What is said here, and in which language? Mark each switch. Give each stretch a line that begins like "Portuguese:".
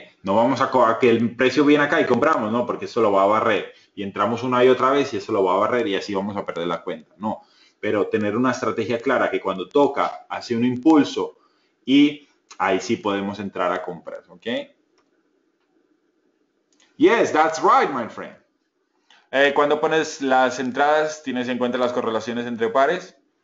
Spanish: No vamos a que el precio viene acá y compramos, ¿no? Porque eso lo va a barrer. Y entramos una y otra vez y eso lo va a barrer y así vamos a perder la cuenta. No. Pero tener una estrategia clara que cuando toca hace un impulso y ahí sí podemos entrar a compras, ¿ok?
English: Yes, that's right, my friend.
Spanish: Cuando pones las entradas, ¿tienes en cuenta las correlaciones entre pares?